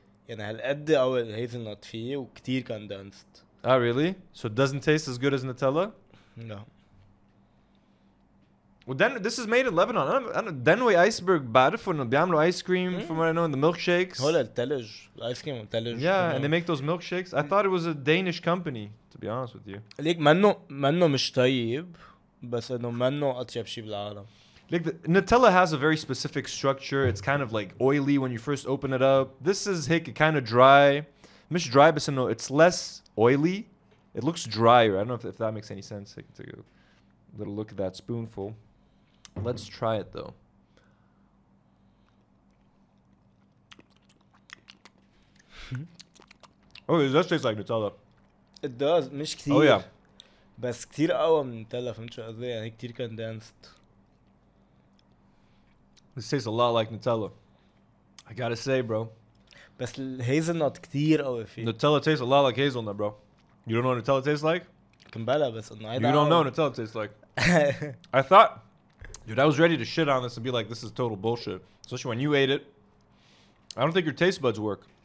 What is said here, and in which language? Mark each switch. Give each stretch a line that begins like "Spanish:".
Arabic: يعني هالقد أول hazelnut فيه وكتير condensed.
English: Ah, really? So it doesn't taste as good as Nutella? No. Well, then this is made in Lebanon. Danway iceberg
Arabic: بعرف إنه بيعملوا
English: ice cream from what I know in the milkshakes.
Arabic: هلا التلج ice cream التلج.
English: Yeah, and they make those milkshakes. I thought it was a Danish company, to be honest with you.
Arabic: ليك منه مش طيب بس إنه منه أطيب شيء بالعالم.
English: Like the, Nutella has a very specific structure. It's kind of like oily when you first open it up. This is hick, kind of dry.
Arabic: مش dry بس إنه
English: it's less oily. It looks drier. I don't know if that makes any sense. Hick, take a little look at that spoonful. Let's try it though. Oh, it does taste like Nutella. It does,
Arabic: مش كتير.
English: Oh yeah.
Arabic: بس كتير قوي من Nutella, فهمت شو قصدي؟ يعني كتير condensed.
English: This tastes a lot like Nutella. I gotta say, bro.
Arabic: بس الهيزلنوت كتير قوي فيه.
English: Nutella tastes a lot like hazelnut, bro. You don't know what Nutella tastes like?
Arabic: كمبله بس انه عادي.
English: You don't know what Nutella tastes like. I thought. Dude, I was ready to shit on this and be like, this is total bullshit. Especially when you ate it. I don't think your taste buds work.